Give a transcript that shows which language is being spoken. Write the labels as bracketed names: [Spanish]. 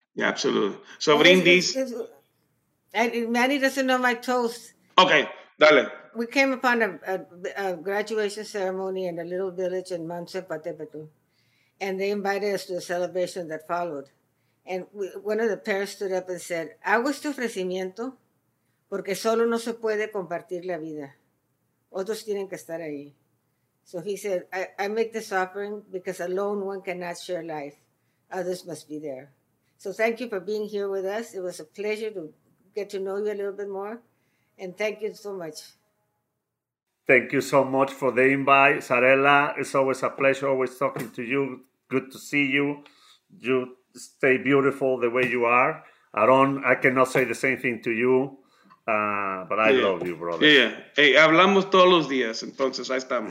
[English] Yeah, absolutely. So, brindis. Manny doesn't know my toast. [Spanish] Okay, dale. [English] We came upon a graduation ceremony in a little village in Monsepatepetu, and they invited us to the celebration that followed. And one of the parents stood up and said, [Spanish] "Hago este ofrecimiento. Porque solo no se puede compartir la vida. Otros tienen que estar ahí." [English] So he said, I make this offering because alone one cannot share life. Others must be there. So thank you for being here with us. It was a pleasure to get to know you a little bit more. And thank you so much. Thank you so much for the invite, Zairela. It's always a pleasure always talking to you. Good to see you. You stay beautiful the way you are. Aaron, I cannot say the same thing to you. But I love you, brother. Yeah. [Spanish] Hey, hablamos todos los días, entonces ahí estamos.